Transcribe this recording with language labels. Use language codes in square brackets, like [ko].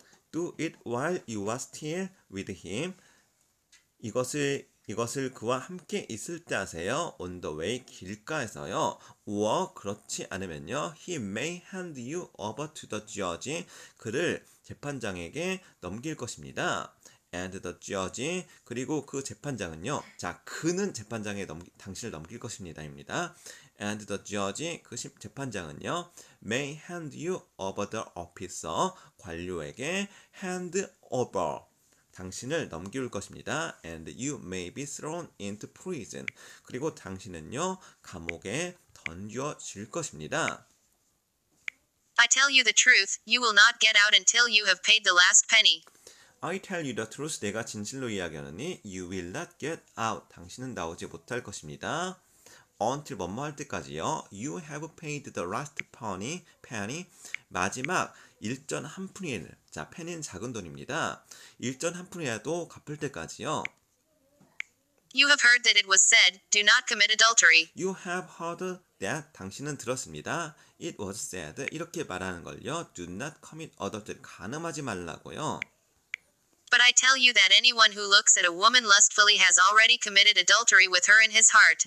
[en] Do it while you are still with him. [ko] 이것을 그와 함께 있을 때 하세요. [en] On the way, [ko] 길가에서요. [en] Or [ko] 그렇지 않으면요. [en] He may hand you over to the judge. [ko] 그를 재판장에게 넘길 것입니다. [en] And the judge. [ko] 그리고 그 재판장은요. 자, 그는 재판장에 당신을 넘길 것입니다. 입니다. [en] And the judge. [ko] 그 재판장은요. [en] May hand you over the officer. [ko] 관료에게 [en] hand over. [ko] 당신을 넘길 것입니다. [en] And you may be thrown into prison. [ko] 그리고 당신은요, 감옥에 던져질 것입니다. [en] I tell you the truth, you will not get out until you have paid the last penny. I tell you the truth, [ko] 내가 진실로 이야기하느니, [en] you will not get out, [ko] 당신은 나오지 못할 것입니다. [en] Until [ko] 뭐뭐 할 때까지요, [en] you have paid the last penny, [ko] 마지막 일전 한 푼이에요. 자, 펜은 작은 돈입니다. 일전 한 푼이라도 갚을 때까지요. [en] You have heard that it was said, do not commit adultery. You have heard that, [ko] 당신은 들었습니다. [en] It was said, [ko] 이렇게 말하는 걸요. [en] Do not commit adultery, [ko] 간음하지 말라고요. [en] But I tell you that anyone who looks at a woman lustfully has already committed adultery with her in his heart.